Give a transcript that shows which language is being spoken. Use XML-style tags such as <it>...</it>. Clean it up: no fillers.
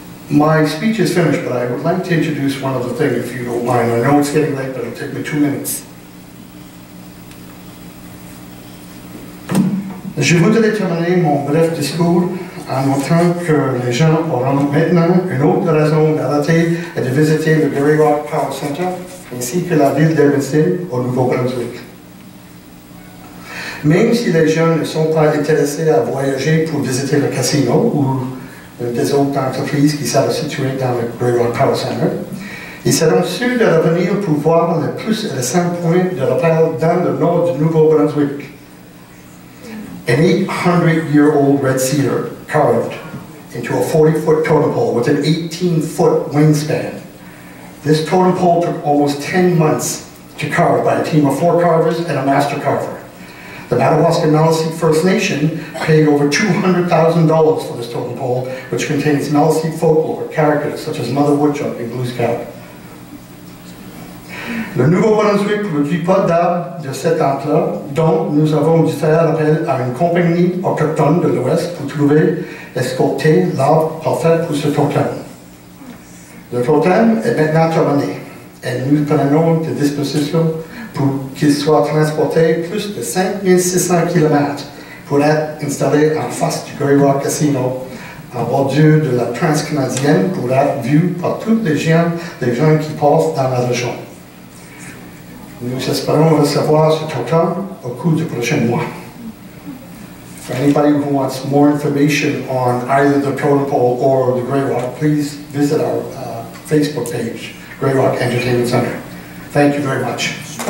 <en>My speech is finished, but I would like to introduce one other thing, if you don't mind. I know it's getting late, but it'll take me 2 minutes.</en> <fr>Je voudrais terminer mon bref discours en montrant que les gens auront maintenant une autre raison d'arrêter et de visiter le Grey Rock Power Center, ainsi que la ville d'Edmundston au Nouveau-Brunswick. Même si les gens ne sont pas intéressés à voyager pour visiter le casino ou des autres entreprises qui seront situées dans le Grey Rock Power Center, ils seront sûrs de revenir pour voir le plus récent point de repère dans le nord du Nouveau-Brunswick.</fr> <en>An 800-year-old red cedar carved into a 40-foot totem pole with an 18-foot wingspan. This totem pole took almost 10 months to carve by a team of four carvers and a master carver. The Madawaska-Maliseet First Nation paid over $200,000 for this totem pole, which contains Maliseet folklore characters such as Mother Woodchuck and Glooskap.</en> <fr>Le Nouveau-Brunswick ne produit pas d'arbres de cet ampleur, donc nous avons dû faire appel à une compagnie autochtone de l'Ouest pour trouver, escorter l'arbre parfait pour ce totem. Le totem est maintenant terminé et nous prenons des dispositions pour qu'il soit transporté plus de 5600 km pour être installé en face du Grey Rock Casino, en bordure de la Trans-Canadienne pour être vu par tous les gens qui passent dans la région. Nous espérons recevoir ce totem au cours du prochain mois.</fr> <en>For anybody who wants more information on either the totem pole or the Grey Rock, please visit our Facebook page, Grey Rock Entertainment Center. Thank you very much.</en>